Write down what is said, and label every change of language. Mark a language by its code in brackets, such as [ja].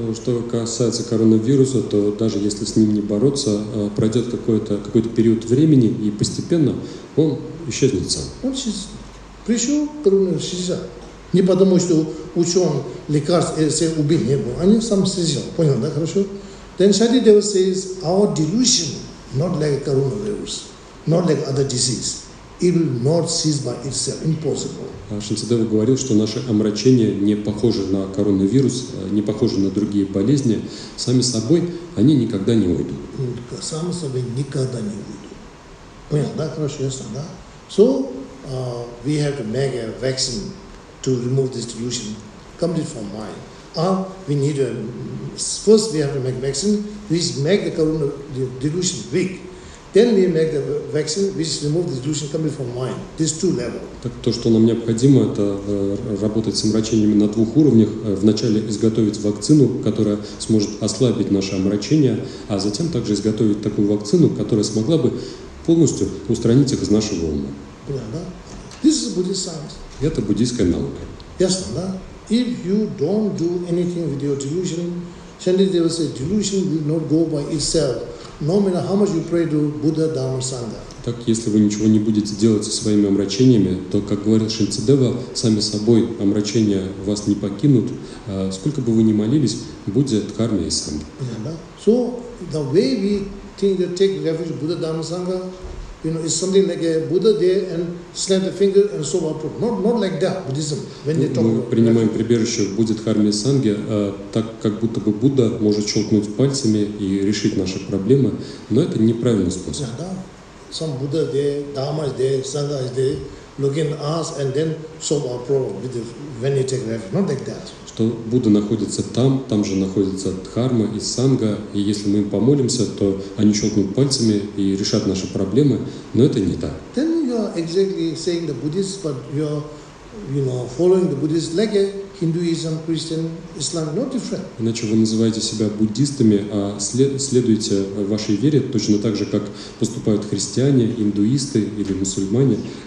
[ru] Что касается коронавируса, то даже если с ним не бороться, пройдет какой-то период времени, и постепенно он исчезнет сам. Он сейчас пришел, коронавирус исчезает. Не потому, что ученый лекарств все убил, не было. Они сам исчезли, понял, да, хорошо? [en] Then Shantideva says, our delusion, not like coronavirus, not like other disease. It will not cease by itself. Impossible. [ru] Шанцедева говорил, что наши омрачения не похожи на коронавирус, не похожи на другие болезни. Сами собой они никогда не уйдут. Сами собой никогда не уйдут. Понял, да? Хорошо, ясно, да? [en] So, we have to make a vaccine to remove this delusion completely from mind. We need a, first we have to make a vaccine which make the coronavirus delusion weak. Then we make the vaccine, which removes the delusion coming from mind. These two levels. [ru] Так то, что нам необходимо, это работать с омрачениями на двух уровнях. Вначале изготовить вакцину, которая сможет ослабить наше омрачение, а затем также изготовить такую вакцину, которая смогла бы полностью устранить их из нашего ума. [en] Да. This is Buddhist science. [ru] Это буддийская наука. Ясно, да? [en] If you don't do anything with your delusion, Shantideva says, delusion will not go by itself. No matter how much you pray to Buddha, Dharma, Sangha. [ru] Так, если вы ничего не будете делать со своими омрачениями, то, как говорит Шанцидева, сами собой омрачения вас не покинут. Сколько бы вы ни молились, Будде, Дхарме и Сангхе. [en] So, the way we think that take refuge Buddha, Dharma, Sangha, you know, it's something like a Buddha there and snap the finger and so on. Not like that, Buddhism. When they talk [ru] мы принимаем прибежище в Будде, Дхарме и Сангхе, так как будто бы Будда может щелкнуть пальцами и решить наши проблемы, но это неправильный способ. [en] Yeah, some Buddha there, Dharma is there, Sangha is there, looking at us and then solve our problem with the, when you take refuge. Not like that. [ru] Что Будда находится там, там же находится Дхарма и Сангха, и если мы им помолимся, то они щелкнут пальцами и решат наши проблемы, но это не так. [en] Then you are exactly saying the Buddhist, but you are, you know, following the Buddhist like a Hinduism, Christian, Islam, not different. [ru] Иначе вы называете себя буддистами, а следуете вашей вере точно так же, как поступают христиане, индуисты или мусульмане.